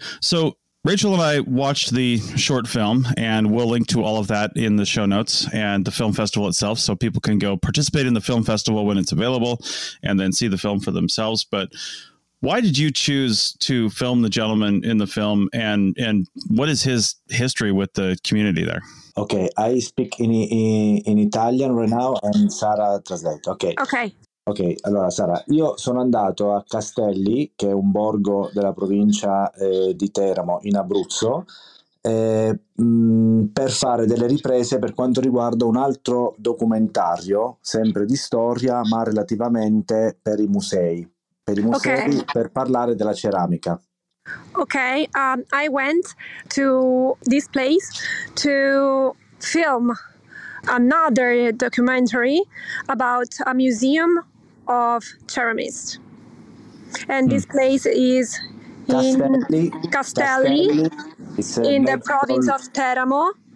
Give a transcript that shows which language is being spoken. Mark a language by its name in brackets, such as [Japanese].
[English] So Rachel and I watched the short film, and we'll link to all of that in the show notes and the film festival itself, so people can go participate in the film festival when it's available, and then see the film for themselves. But why did you choose to film the gentleman in the film, and what is his history with the community there? Okay, I speak in Italian right now, and Sarah translate. Okay. Okay. [Italian] Okay, allora Sara, io sono andato a Castelli, che è un borgo della provincia di Teramo, in Abruzzo, per fare delle riprese per quanto riguarda un altro documentario, sempre di storia, ma relativamente per i musei. Per i musei, okay. Per parlare della ceramica. [English] Okay, I went to this place to film another documentary about a museum of ceramists. And this place is in Castelli, in the province of Teramo.